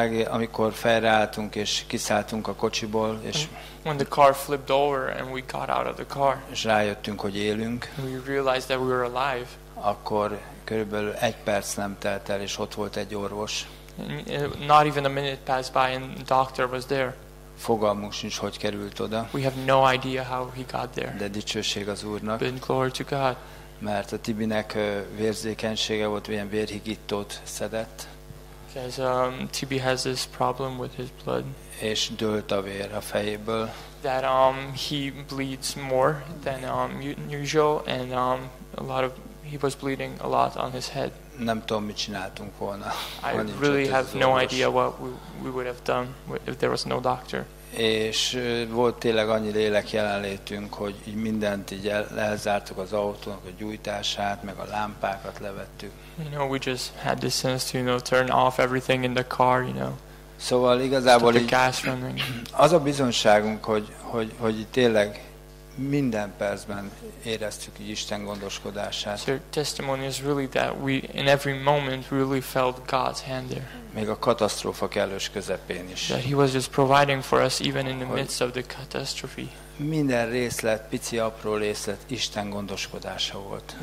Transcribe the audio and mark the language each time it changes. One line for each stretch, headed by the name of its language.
Hungarian: amikor felreálltunk és kiszálltunk a kocsiból, és
English: when the car flipped over and we got out of the car,
Hungarian: és rájöttünk, hogy élünk,
English: we realized that we were alive.
Hungarian: Akkor körülbelül egy perc nem telt el, és ott volt egy orvos.
English: Not even a minute passed by and the doctor was there.
Hungarian: Fogalmunk sincs, hogy került oda.
English: We have no idea how he got there.
Hungarian: De dicsőség az Úrnak.
English: But glory to God.
Hungarian: Mert a Tibinek vérzékenysége volt, olyan vérhigítót szedett.
English: Because Tibi has this problem with his blood.
Hungarian: És dőlt a vér a fejéből.
English: That he bleeds more than usual and a lot of he was bleeding a lot on his head.
Hungarian: Nem tudom, mit csináltunk volna.
English: I really have no idea what we would have done if there was no doctor.
Hungarian: És volt tényleg annyi lélek jelenlétünk, hogy mindent így lezártuk az autónak a gyújtását, meg a lámpákat levettük.
English: You know, we just had this sense to, you know, turn off everything in the car, you know.
Hungarian: Szóval igazából az a bizonyságunk, hogy tényleg minden percben éreztük Isten gondoskodását.
English: Your testimony is really that we in every moment really felt God's hand there.
Hungarian: Még a katasztrófa kellős közepén is.
English: That he was just providing for us even in the midst of the catastrophe.
Hungarian: Minden részlet, pici apró részlet Isten gondoskodása volt.